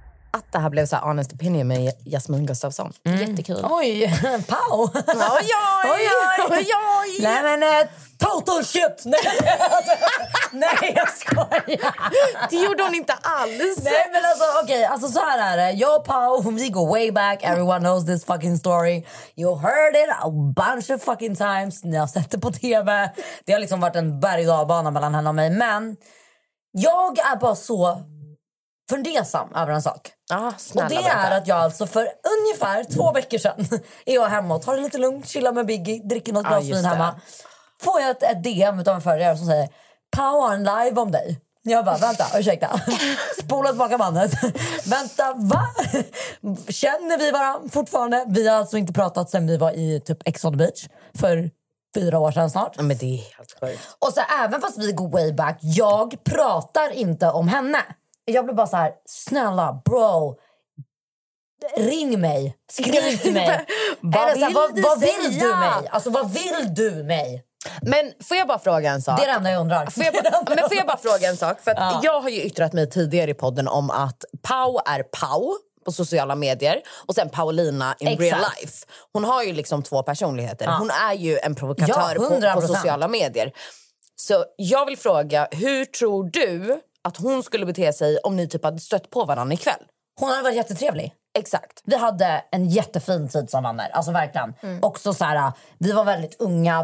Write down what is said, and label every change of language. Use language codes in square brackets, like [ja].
[sv] Att det här blev så här honest opinion med Jasmin Gustafsson. Jättekul. Oj, pow. Oj. Nej, men [en] total shit. [sv] Nej, jag skojar. Det gjorde hon inte alls. Nej, men alltså, okej, så här är det. Jag och pow, [en] we go way back. Everyone knows this fucking story. You heard it a bunch of fucking times. [sv] Ni har sett det på tv. Det har liksom varit en berg-och-dalbana mellan henne och mig. Men jag är bara så fundersam över en sak. Och det är att jag alltså för ungefär 2 veckor sedan är jag hemma och tar det lite lugnt, chillar med Biggie, dricker något glas vin hemma. Får jag ett DM utav en följare som säger, Pau har en live om dig. Jag bara, vänta, ursäkta. Spola tillbaka mannen. Vänta, va? Känner vi varandra fortfarande? Vi har alltså inte pratat sen vi var i typ Ex on the Beach för 4 år sedan snart. Men det är helt sjukt. Och så även fast vi går [en] way back, [sv] jag pratar inte om henne. Jag blir bara så här, snälla, bro, ring mig, skriv till mig. Vad vill du mig? Alltså, vad vill du mig? Men får jag bara fråga en sak? Det är det enda jag undrar. Får jag bara fråga en sak? För att jag har ju yttrat mig tidigare i podden om att Pau är Pau på sociala medier. Och sen Paulina [en] in real life. [sv] Hon har ju liksom två personligheter. Hon är ju en provokatör på sociala medier. Så jag vill fråga, hur tror du att hon skulle bete sig om ni typ hade stött på varandra ikväll? Hon har varit jättetrevlig. Exakt. Vi hade en jättefin tid som vänner. Alltså verkligen. Mm. Också så här, vi var väldigt unga.